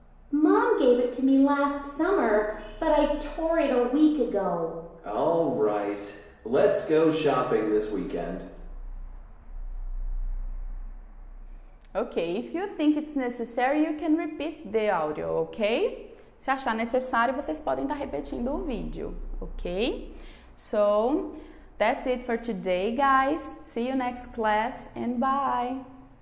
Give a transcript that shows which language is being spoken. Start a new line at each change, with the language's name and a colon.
English: Mom gave it to me last summer, but I tore it a week ago. All right. Let's go shopping this weekend. Okay, if you think it's necessary, you can repeat the audio, okay?
Portuguese: Se achar necessário, vocês podem estar repetindo o vídeo, okay?
English: So, that's it for today, guys. See you next class and bye!